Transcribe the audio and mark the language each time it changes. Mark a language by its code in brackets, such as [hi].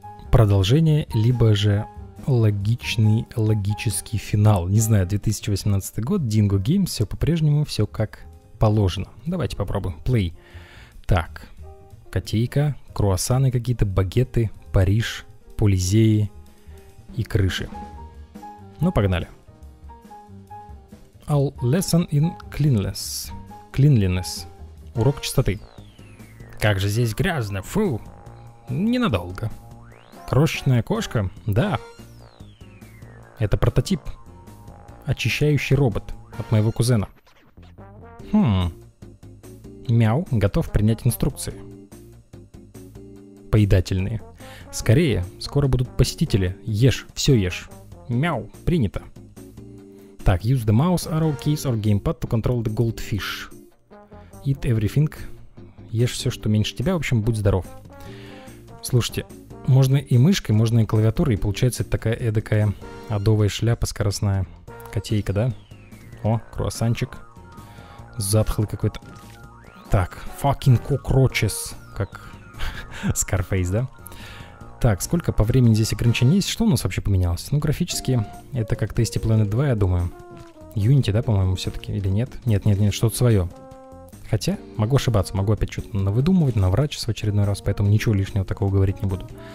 [ru] Продолжение, либо же логичный, логический финал. Не знаю, 2018 год, Dingo Games, все по-прежнему, все как положено. Давайте попробуем. Play. Так, котейка, круассаны какие-то, багеты, Париж, полизеи и крыши. Ну, погнали. [en] A lesson in cleanliness. [ru] Cleanliness. Урок чистоты. Как же здесь грязно, фу. Ненадолго. Крошечная кошка? Да. Это прототип. Очищающий робот от моего кузена. Мяу, готов принять инструкции. Поедательные. Скорее, скоро будут посетители. Ешь, все ешь. Мяу, принято. Так, [en] use the mouse, arrow keys or gamepad to control the goldfish. Eat everything. [ru] Ешь все, что меньше тебя, в общем, будь здоров. Слушайте, можно и мышкой, можно и клавиатурой, и получается такая эдакая адовая шляпа скоростная. Котейка, да? О, круассанчик. Затхлый какой-то. [en] Так, fucking cockroaches. [ru] Как Scarface, да? Так, сколько по времени здесь ограничений есть? Что у нас вообще поменялось? Ну, графически, это как Tasty Planet 2, я думаю. Unity, да, по-моему, все-таки, или нет? Нет, что-то свое. Хотя, могу ошибаться, могу опять что-то навыдумывать, наврачиться в очередной раз, поэтому ничего лишнего такого говорить не буду.